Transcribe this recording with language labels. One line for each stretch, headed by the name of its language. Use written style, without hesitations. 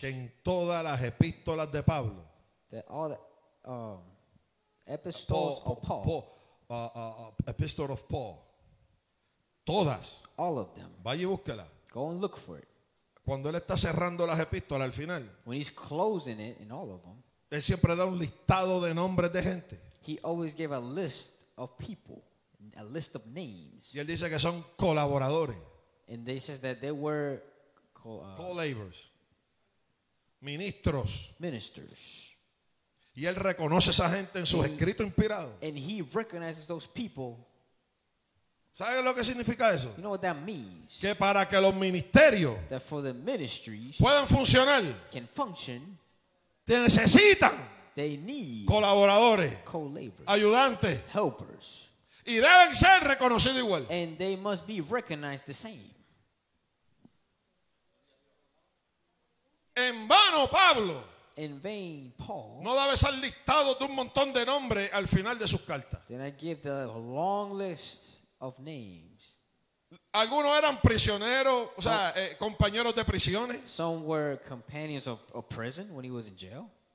Spanish: Que en todas las epístolas de Pablo.
English: That all the epistles Paul, of Paul. Paul, epistle of Paul.
Spanish: Todas.
English: All of them.
Spanish: Vaya y búsquela.
English: Go and look for it.
Spanish: Cuando él está cerrando las epístolas al final,
English: when he's closing it in all of them,
Spanish: él siempre da un listado de nombres de gente.
English: He always gave a list of people, a list of names.
Spanish: Y él dice que son colaboradores.
English: And he says that they were co-laborers.
Spanish: Ministros.
English: Ministers.
Spanish: Y él reconoce a esa gente en sus escritos inspirados.
English: And he recognizes those people.
Spanish: ¿Sabes lo que significa eso?
English: You know what that means?
Spanish: Que para que los ministerios puedan funcionar,
English: can function,
Spanish: te necesitan,
English: they need
Spanish: colaboradores,
English: co-laborers,
Spanish: ayudantes,
English: helpers,
Spanish: y deben ser reconocidos igual.
English: And they must be recognized the same.
Spanish: En vano, Pablo.
English: In vain, Paul.
Spanish: No daba ese listado de un montón de nombres al final de sus cartas.
English: Then I give the long list of names.
Spanish: Algunos eran prisioneros, o sea, compañeros de prisiones.
English: Some were companions of prison when he was in jail.